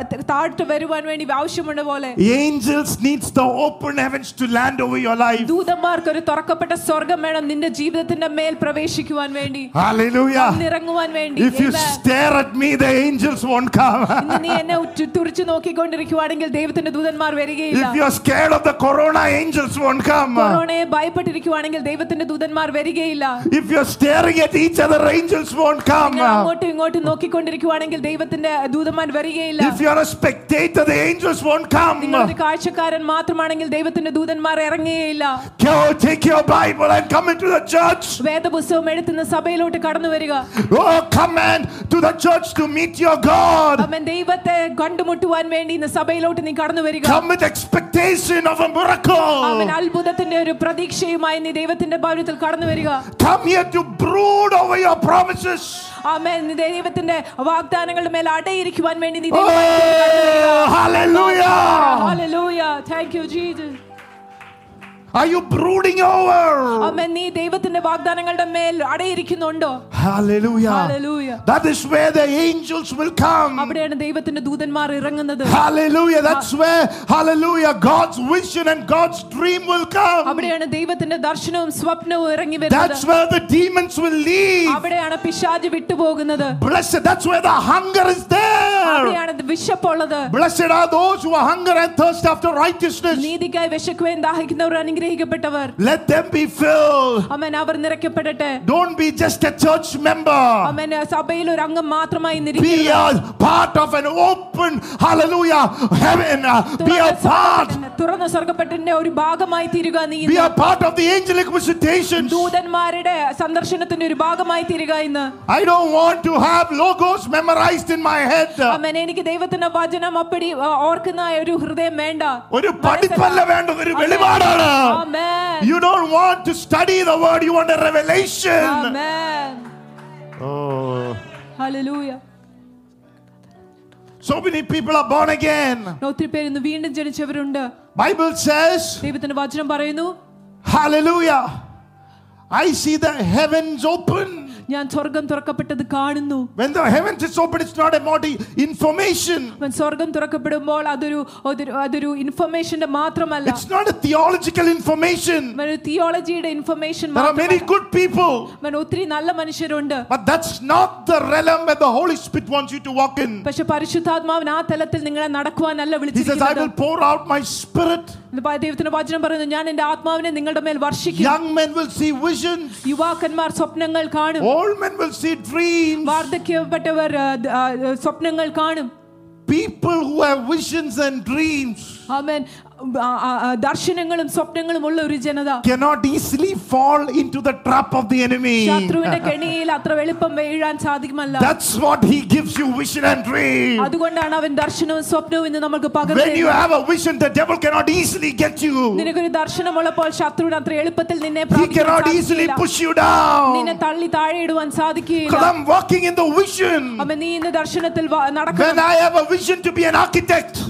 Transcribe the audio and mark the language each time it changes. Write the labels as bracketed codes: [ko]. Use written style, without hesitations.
[ml] താഴ്ത്തു വരുവാൻ വേണ്ടി ആവശ്യമുള്ള പോലെ [en] angels needs the open heavens to land over your life. [ml] ദൂതന്മാർക്ക് ഒരു തുറക്കപ്പെട്ട സ്വർഗം വേണം നിന്റെ ജീവിതത്തിന്റെ മേൽ പ്രവേശിക്കുവാൻ വേണ്ടി. ഹല്ലേലൂയാ. നിറങ്ങുവാൻ വേണ്ടി. [en] If you stare at me, the angels won't come. [ml] നീ എന്നെ തുറിച്ചു നോക്കിക്കൊണ്ടിരിക്കുകയാണെങ്കിൽ ദൈവത്തിന്റെ ദൂതന്മാർ വരികയില്ല. [en] If you are scared of the corona, angels won't come. [ml] കൊറോണയെ ഭയപ്പെട്ടിരിക്കുകയാണെങ്കിൽ ദൈവത്തിന്റെ ദൂതന്മാർ വരികയില്ല. [en] If you are staring at each other, angels won't come. [ml] അങ്ങോട്ടും ഇങ്ങോട്ടും നോക്കിക്കൊണ്ടിരിക്കുകയാണെങ്കിൽ ദൈവത്തിന്റെ ദൂതന്മാർ വരികയില്ല. [en] If you are a spectator, the angels won't come. [ml] നിങ്ങൾ കാഴ്ചക്കാരൻ മാത്രമാണെങ്കിൽ ദൈവത്തിന്റെ ദൂതന്മാർ ഇറങ്ങുകയില്ല. [en] Go take your Bible and come into the church. [ml] വേദപുസ്തകം എടുത്തുന്ന സഭയിലോട്ട് കടന്നു വരിക. [en] Oh, come and to the church to meet your God. [ml] അമ്മേ ദൈവത്തെ കണ്ടുമുട്ടുവാൻ വേണ്ടി ഇന്ന് സഭയിലോട്ട് നീ കടന്നു വരിക. [en] Come with expectation of a miracle. [ml] അമ്മേ അത്ഭുതത്തിന്റെ ഒരു പ്രതീക്ഷയുമായി നീ ദൈവത്തിന്റെ ഭവനത്തിൽ കടന്നു വരിക. [en] Come here to brood over your promises. [ml] അമ്മേ നീ ദൈവത്തിന്റെ വാഗ്ദാനങ്ങളുടെ മേൽ അടയിരിക്കുവാൻ വേണ്ടി നീ ദൈവത്തിൽ കടന്നു വരിക. Hallelujah. [en] Hallelujah. Thank you Jesus. Are you brooding over? Amen. [ml] നീ ദൈവത്തിന്റെ വാഗ്ദാനങ്ങളുടെ മേൽ അടയിരിക്കുന്നുണ്ടോ? Hallelujah. Hallelujah. [en] That is where the angels will come. [ml] അവിടെയാണ് ദൈവത്തിന്റെ ദൂതന്മാർ ഇറങ്ങുന്നത്. Hallelujah. [en] That's where, hallelujah, God's vision and God's dream will come. [ml] അവിടെയാണ് ദൈവത്തിന്റെ ദർശനവും സ്വപ്നവും ഇറങ്ങി വരുന്നത്. [en] That's where the demons will leave. [ml] അവിടെയാണ് പിശാച് വിട്ടുപോകുന്നത്. [en] Blessed, that's where the hunger is there. [ml] അവിടെയാണ് വിശപ്പുള്ളത്. [en] Blessed are those who hunger and thirst after righteousness. [ml] നീതിക്കായി വിശക്കുകയും ദാഹിക്കുന്നവരാണ് ഗ്രഹിക്കപ്പെട്ടവർ. [en] Let them be filled. [ml] Amen. Our നിറയ്ക്കപ്പെടട്ടെ. [en] Don't be just a church member. [ml] അമേൻ. സഭയിൽ ഒരു അംഗം മാത്രമായി നിരിക്കരുത്. [en] Be a part of an open, hallelujah, heaven. Be a part. [ml] തുറന്ന സ്വർഗ്ഗപട്ടണത്തിന്റെ ഒരു ഭാഗമായി തീരുക നീ. [en] Be a part of the angelic visitations. [ml] ദൂതന്മാരുടെ സന്ദർശനത്തിന്റെ ഒരു ഭാഗമായി തീരുക ഇന്ന്. [en] I don't want to have logos memorized in my head. Amen. [ml] എനിക്ക് ദൈവത്തിന്റെ വചനം അപ്പടി ഓർക്കുന്ന ഒരു ഹൃദയം വേണ്ട. ഒരു പഠിപ്പല്ല വേണ്ട, ഒരു വെളിപാടാണ്. Amen. [en] You don't want to study the word, you want a revelation. Amen. Oh. Hallelujah. So many people are born again. [ml] ഒത്തിരി പേർ ഇന്ന് വീണ്ടും ജനിച്ചവരുണ്ട്. [en] Bible says. [ml] ദൈവത്തിന്റെ വചനം പറയുന്നു. [en] Hallelujah. I see the heavens open. [ml] ഞാൻ സ്വർഗ്ഗം തുറക്കപ്പെട്ടത് കാണുന്നു. [en] When the heavens is open, it's not about information. [ml] When സ്വർഗ്ഗം തുറക്കപ്പെടുമ്പോൾ അതൊരു ഇൻഫർമേഷന്റെ മാത്രമല്ല. [en] It's not a theological information. [ml] When തിയോളജിയുടെ information മാത്രമല്ല. [en] There are many good people. [ml] When ഒത്തിരി നല്ല മനുഷ്യരുണ്ട്. [en] But that's not the realm where the Holy Spirit wants you to walk in. [ml] പക്ഷേ പരിശുദ്ധാത്മാവ് ആ തലത്തിൽ നിങ്ങളെ നടക്കുവാനല്ല വിളിച്ചിരിക്കുന്നത്. [en] He says, I will pour out my spirit. [ml] ദൈവത്തിന്റെ വചനം പറയുന്നു, ഞാൻ എന്റെ ആത്മാവിനെ നിങ്ങളുടെ മേൽ വർഷിക്കും. [en] Young men will see visions. [ml] യുവാക്കന്മാർ സ്വപ്നങ്ങൾ കാണും. [en] Old men will see dreams. [ml] വാർദ്ധക്യപ്പെട്ടവർ സ്വപ്നങ്ങൾ കാണും. [en] People who have visions and dreams. Amen. [ml] ദർശനങ്ങളും സ്വപ്നങ്ങളും ഉള്ള ഒരു ജനത [en] cannot easily fall into the trap of the enemy. [ml] ശത്രുവിന്റെ കെണിയിൽ അത്ര വെളുപ്പം വീഴാൻ സാധിക്കുമല്ല. [en] That's what he gives you, vision and dream. [ml] അതുകൊണ്ടാണ് അവൻ ദർശനവും സ്വപ്നവും ഇന്ന് നമുക്ക് പകർന്നത്. [en] When you have a vision, the devil cannot easily get you. [ml] നിനക്ക് ഒരു ദർശനം ഉള്ളപ്പോൾ ശത്രുവിന് അത്ര എളുപ്പത്തിൽ നിന്നെ പ്രാപിക്കാൻ സാധിക്കില്ല. [en] He cannot easily push you down. [ml] നിന്നെ തള്ളി താഴെ ഇടുവാൻ സാധിക്കില്ല. [en] Because I'm walking in the vision. [ml] അമ്മേ നീ ഇന്ന് ദർശനത്തിൽ നടക്കുന്നു. [en] When I have a vision to be an architect.